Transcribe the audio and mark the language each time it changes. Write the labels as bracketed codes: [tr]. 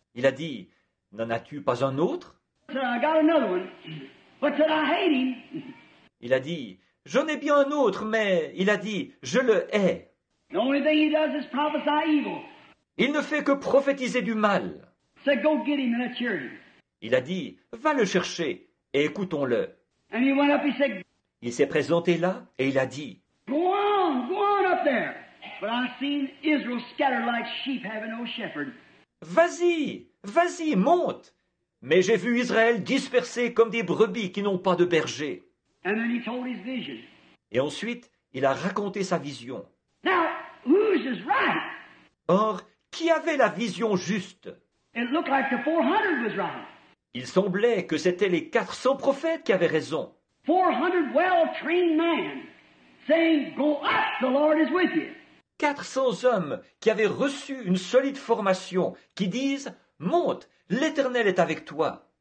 [fr] Il a dit, n'en as-tu pas un autre? [en] I got another one, but said, I hate him. [fr] Il a dit, j'en ai bien un autre, mais il a dit, je le hais. [en] The only thing he does is prophesy evil. [fr] Il ne fait que prophétiser du mal. [en] So go get him and let's hear him. [fr] Il a dit, va le chercher. Et écoutons-le. [en] And he went up, he said, [fr] il s'est présenté là et il a dit, [en] go on up there. But I've seen Israel scattered like sheep having no shepherd. [fr] Vas-y, monte. Mais j'ai vu Israël dispersé comme des brebis qui n'ont pas de berger. [en] And then he told his vision. [fr] Et ensuite, il a raconté sa vision. [en] Now, whose is right? [fr] Or, qui avait la vision juste? [en] It looked like the 400 was right. [fr] Il semblait que c'était les 400 prophètes qui avaient raison. [en] 400 well-trained men saying, go up, the Lord is with you. [fr] 400 hommes qui avaient reçu une solide formation qui disent, monte, l'Éternel est avec toi.